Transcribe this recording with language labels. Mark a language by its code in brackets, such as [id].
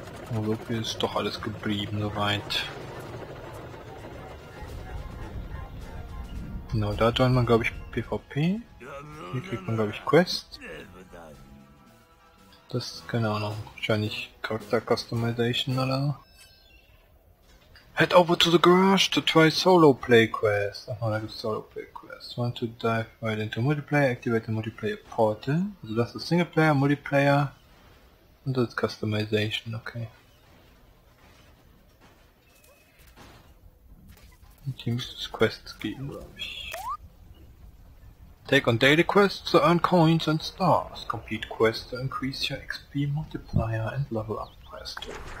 [de] Und so viel ist doch alles geblieben, soweit. Genau, da joint man, glaube ich, PvP. Hier kriegt man, glaube ich, Quest. Das ist, keine Ahnung, wahrscheinlich Character Customization oder so. [en] Head over to the garage to try solo play quest. [de] Ach, da gibt's solo play quest. [en] Want to dive right into multiplayer, activate the multiplayer portal. [de] Also das ist Singleplayer, Multiplayer. Und das ist Customization, okay. Und hier müsste es Quests geben, glaube ich. [en] Take on daily quests to earn coins and stars. Complete quests to increase your XP multiplier and level up faster.